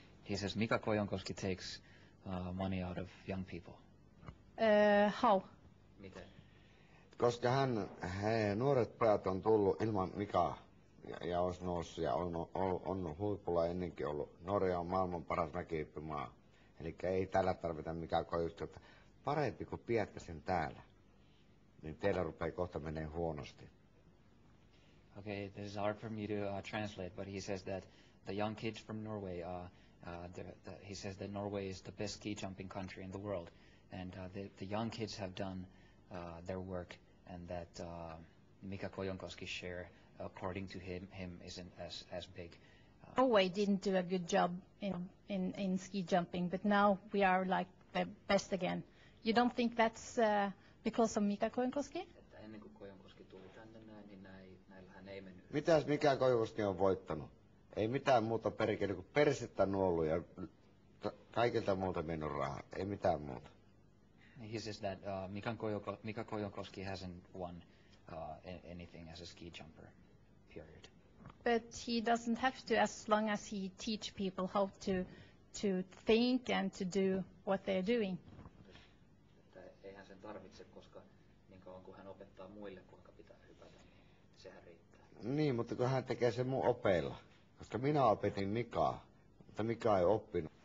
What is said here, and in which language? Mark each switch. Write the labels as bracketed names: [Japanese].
[English] He says Mika Kojonkoski takes money out of young people. How? [Finnish] Miten? Koska hän, nuoret pojat on tullut ilman Mikaa ja on noussut ja on huipulla ennenkin ollut. Norja on maailman paras mäkihyppymaa. Eli ei täällä tarvita Mikaa Kojonkoskista. Parempi kuin pidätte sen täällä, niin teillä rupeaa kohta menee huonosti. [English] Okay, this is hard for me to translate, but he says that the young kids from Norway, he says that Norway is the best ski jumping country in the world, and the young kids have done their work, and that Mika Kojonkoski's share, according to him isn't as big. Norway didn't do a good job in ski jumping, but now we are like the best again. You don't think that's because of Mika Kojonkoski? [Finnish] Ennen kuin Kojonkoski tuli tänne näin, niin näillähän ei mennyt. Mitäs Mika Kojonkoski on voittanut? Ei mitään muuta perikeli kuin persettä nuollut ja kaikilta muuta mennyt rahaa. Ei mitään muuta. [English] He says that Mika Kojonkoski hasn't won anything as a ski jumper, period. But he doesn't have to, as long as he teach people how to think and to do what they're doing. [Finnish] Eihän sen tarvitse, koska niin kauan kun hän opettaa muille, kuinka pitää hypätä, niin sehän riittää. Niin, mutta kun hän tekee sen mun opeilla. Koska minä opetin Mikaa, mutta Mika ei oppinut.